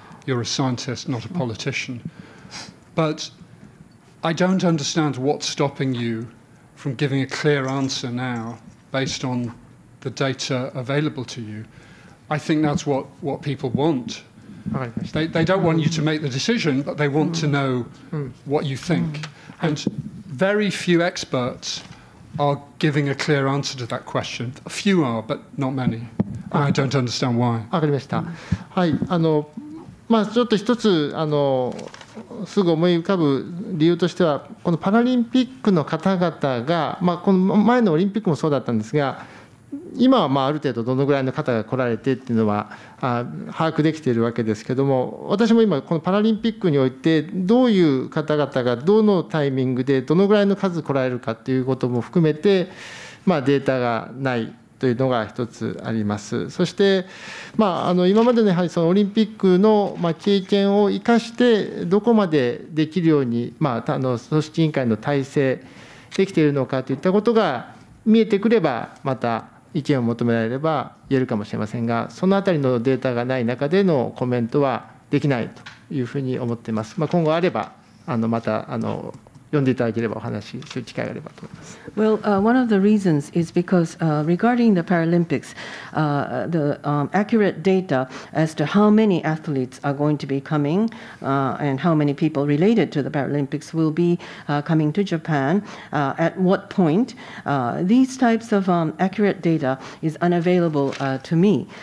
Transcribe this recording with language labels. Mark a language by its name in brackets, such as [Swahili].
[English] You're a scientist, not a politician. But I don't understand what's stopping you from giving a clear answer now based on the data available to you. I think that's what people want. They don't want you to make the decision, but they want to know what you think. And very few experts are giving a clear answer to that question. A few are, but not many. And I don't understand why. [Japanese] わかりました。はい、まあ、ちょっと一つすぐ思い浮かぶ理由としては、このパラリンピックの方々が、まあ、この前のオリンピックもそうだったんですが、今はまあある程度どのぐらいの方が来られてっていうのは把握できているわけですけども、私も今このパラリンピックにおいてどういう方々がどのタイミングでどのぐらいの数来られるかということも含めて、まあデータがないというのが一つあります。そして、まあ、今までのやはりそのオリンピックの経験を生かしてどこまでできるように、まあ、組織委員会の体制できているのかといったことが見えてくればまた意見を求められれば言えるかもしれませんが、そのあたりのデータがない中でのコメントはできないというふうに思っています。まあ、今後あればまた読んでいただければお話しする機会があればと思います。 [English] Well, one of the reasons is because regarding the Paralympics, the accurate data as to how many athletes are going to be coming and how many people related to the Paralympics will be coming to Japan at what point, these types of accurate data is unavailable to me.